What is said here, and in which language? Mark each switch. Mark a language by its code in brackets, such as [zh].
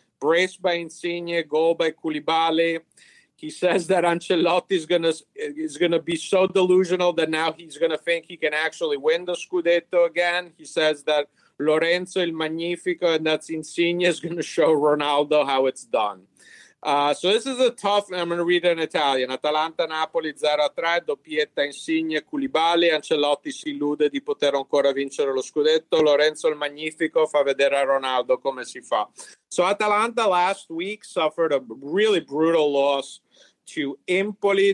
[en] Braced by Insigne, goal by Koulibaly. He says that Ancelotti is gonna be so delusional that now he's gonna think he can actually win the Scudetto again. He says that Lorenzo il Magnifico and that's Insigne is gonna show Ronaldo how it's done. So this is a tough. I'm gonna read it in Italian. [it] Atalanta Napoli 0-3. Doppietta Insigne, Koulibaly. Ancelotti si illude di poter ancora vincere lo Scudetto. Lorenzo il Magnifico fa vedere a Ronaldo come si fa. [en] So Atalanta last week suffered a really brutal loss to Empoli.